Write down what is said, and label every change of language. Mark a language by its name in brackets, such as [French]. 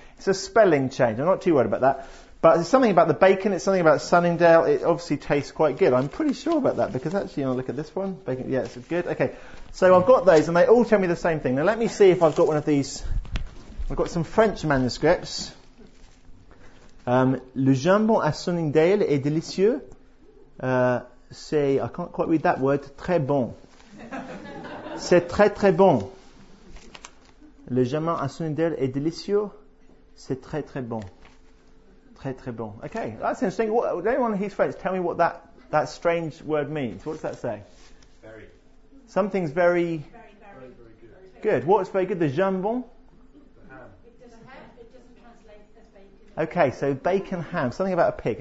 [English] It's a spelling change. I'm not too worried about that. But it's something about the bacon. It's something about Sunningdale. It obviously tastes quite good. I'm pretty sure about that because actually, you know, look at this one. Bacon, yeah, it's good. Okay, so I've got those and they all tell me the same thing. Now, let me see if I've got one of these. I've got some French manuscripts. [French] Le jambon à Sunningdale est délicieux. [English] I can't quite read that word. [French] Très bon. C'est très très bon. Le jambon à Sunningdale est délicieux. C'est très très bon. Très très bon. [English] Okay, that's interesting. What, anyone who's French, tell me what that strange word means. What does that say? Very. Something's very. Very, very, very good. Good. What's very good? The jambon? The ham. It doesn't translate as bacon. Okay, so bacon ham. Something about a pig.